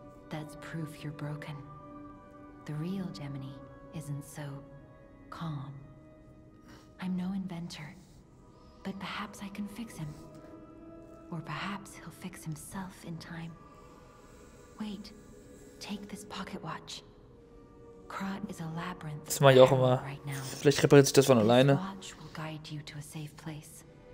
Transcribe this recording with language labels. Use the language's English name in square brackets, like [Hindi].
[English] That's proof you're broken. The real Gemini isn't so calm. I'm no inventor, but perhaps I can fix him. Or perhaps he'll fix himself in time. Wait, take this pocket watch. Krot is a labyrinth. [German] Das mache ich auch immer. [English] Right now. [German] Vielleicht repariert sich das von alleine. [English] This watch will guide you to a safe place.